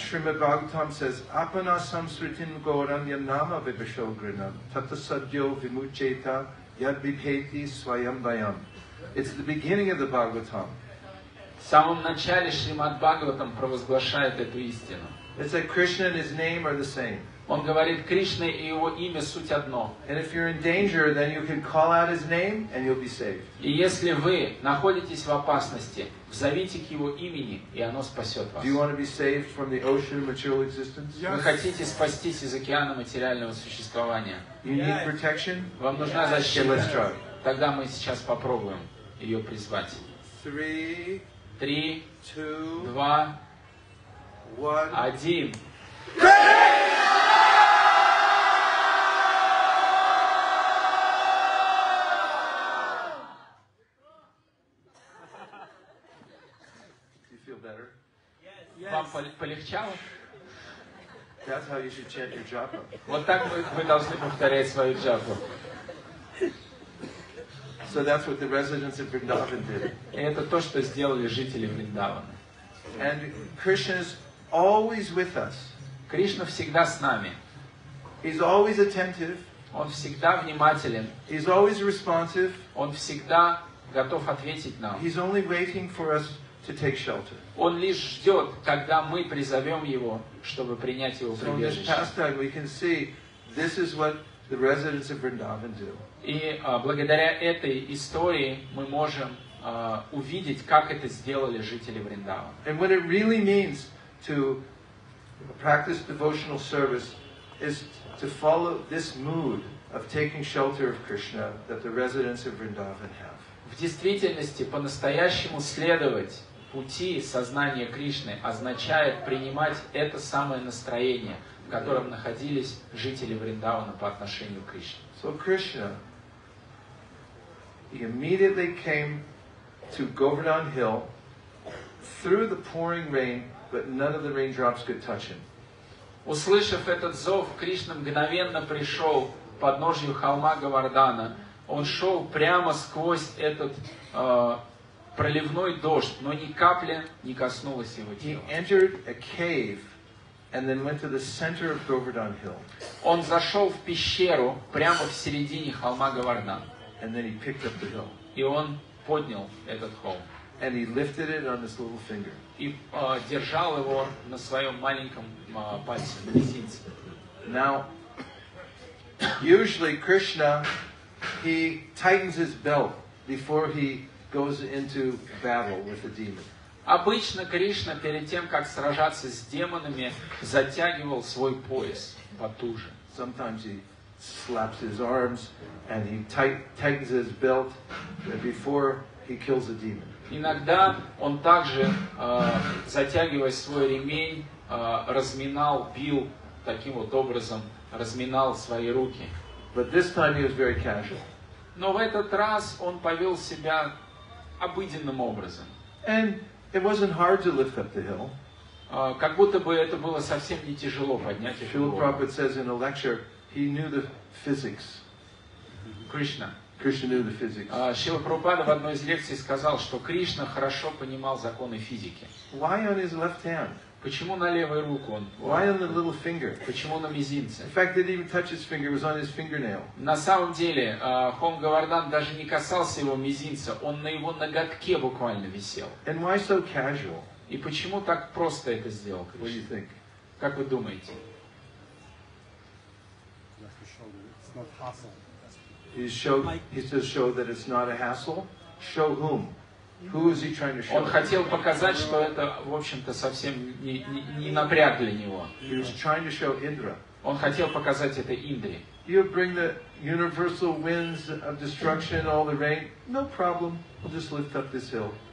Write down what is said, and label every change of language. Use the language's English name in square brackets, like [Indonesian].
[English] Shrimad Bhagavatam says, [Sanskrit] Apana samsritin gauranya nama vibhishogrinam tatasadyo vimucheta yad vipheti svayam vayam. [English] It's the beginning of the Bhagavatam. [Russian] В самом начале Шримад Бхагаватам провозглашает эту истину. [English] It's like Krishna and his name are the same. [Russian] Он говорит, Кришна и его имя суть одно. [English] And if you're in danger, then you can call out his name and you'll be saved. [Russian] И если вы находитесь в опасности, взовите к его имени, и оно спасет вас. [English] Do you want to be saved from the ocean of material existence? [Russian] Вы хотите спастись из океана материального существования? [English] You need protection? [Russian] Вам нужна защита? [English] Okay, let's try. [Russian] Тогда мы сейчас попробуем ее призвать. [English] Three. [Russian] Три, два, один. Вам полегчало? [English] That's how you should chant your japa. [Russian] Вот так вы должны повторять свою джапу. [English] So that's what the residents of Vrindavan did. [Russian] Это то, что сделали жители Вриндавана. [English] And Krishna is always with us. [Russian] Кришна всегда с нами. [English] He's always attentive. [Russian] Он всегда внимателен. [English] He's always responsive. [Russian] Он всегда готов ответить нам. [English] He's only waiting for us to take shelter. [Russian] Он лишь ждет, когда мы призовем его, чтобы принять его в прибежище. [English] So in this pastime we can see this is what the residents of Vrindavan do. [Russian] И благодаря этой истории мы можем увидеть, как это сделали жители Вриндавана. [English] And what it really means to practice devotional service is to follow this mood of taking shelter of Krishna that the residents of Vrindavan have. [Russian] В действительности, по-настоящему следовать пути сознания Кришны означает принимать это самое настроение, в котором находились жители Вриндавана по отношению к Кришне. [English] So Krishna, he immediately came to Govardhan Hill through the pouring rain, but none of the raindrops could touch him. [Russian] Услышав этот зов, Кришна мгновенно пришел к подножию холма Говардана. Он шел прямо сквозь этот проливной дождь, но ни капля не коснулась его тела. [English] He entered a cave and then went to the center of Govardhan Hill. [Russian] Он зашел в пещеру прямо в середине холма Говардан. [English] And then he picked up the hill. [Russian] И он поднял этот холм. [English] And he lifted it on his little finger. [Russian] И держал его на своем маленьком пальце, на мизинце. [English] Now, usually Krishna, he tightens his belt before he goes into battle with a demon. [Russian] Обычно Кришна перед тем, как сражаться с демонами, затягивал свой пояс потуже. [English] Sometimes he slaps his arms and he tightens his belt before he kills a demon. [Russian] Иногда он также затягивая свой ремень, разминал, бил таким вот образом, разминал свои руки. [English] But this time he was very casual. [Russian] Но в этот раз он повел себя обыденным образом. [English] And it wasn't hard to lift up the hill. [Russian] Как будто бы это было совсем не тяжело поднять эту гору. [English] Srila Prabhupada says in a lecture, he knew the physics. [Russian] Кришна. [English] Кришна knew the physics. [Russian] Шрила Прабхупада в одной из лекций сказал, что Кришна хорошо понимал законы физики. [English] Why on his left hand? [Russian] Почему на левую руку он? [English] Why on the little finger? [Russian] Почему на мизинце? [English] In fact, he didn't even touch his finger. It was on his fingernail. [Russian] На самом деле, Хон Говардан даже не касался его мизинца. Он на его ноготке буквально висел. [English] And why so casual? [Russian] И почему так просто это сделал? Кришна? [English] What do you think? [Russian] Как вы думаете? [English] He's show. He says show that it's not a hassle. Show whom? Who is he trying to show? [Russian] Он хотел показать, что это, в общем-то, совсем не напряг для него. [English] He was trying to show Indra. [Russian] Он хотел показать это Индре. [English] You bring the universal winds of destruction, all the rain. No problem. We'll just lift up this hill.